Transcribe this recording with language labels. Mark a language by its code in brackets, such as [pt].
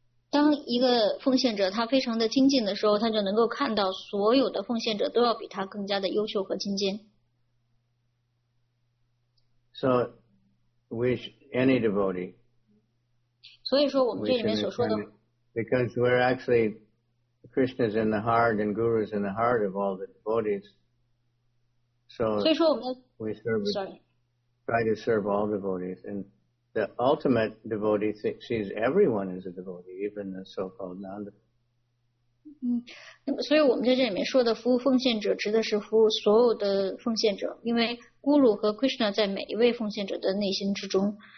[zh] 当一个奉献者他非常的精进的时候，他就能够看到所有的奉献者都要比他更加的优秀和精进。 [en] So, wish any devotee. [zh] 所以说我们这里面所说的 [en] because we're actually Krishna's in the heart and Guru's in the heart of all the devotees. So, [zh] 所以说我们 [en] we serve, try to serve all devotees. And the ultimate devotee sees everyone as a devotee, even the so-called non-devotee. [zh] 那么所以我们在这里面说的服务奉献者指的是服务所有的奉献者，因为咕噜和 Krishna 在每一位奉献者的内心之中。